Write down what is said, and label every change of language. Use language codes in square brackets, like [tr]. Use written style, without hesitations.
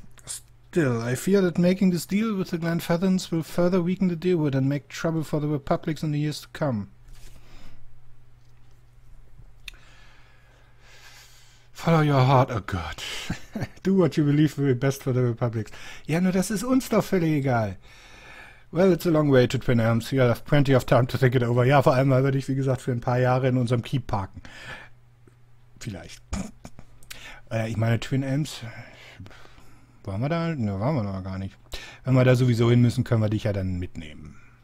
[en] Still, I fear that making this deal with the Glenfethans will further weaken the Deerwood and make trouble for the Republics in the years to come. Follow your heart, [de] oh Gott. [en] Do what you believe will be best for the Republic. [de] Ja, nur das ist uns doch völlig egal. [en] Well, it's a long way to Twin Elms. You have plenty of time to think it over. [de] Ja, vor allem, weil wir dich, wie gesagt, für ein paar Jahre in unserem Keep parken. Vielleicht. Ich meine, Twin Elms, waren wir da? Ne, waren wir noch gar nicht. Wenn wir da sowieso hin müssen, können wir dich ja dann mitnehmen.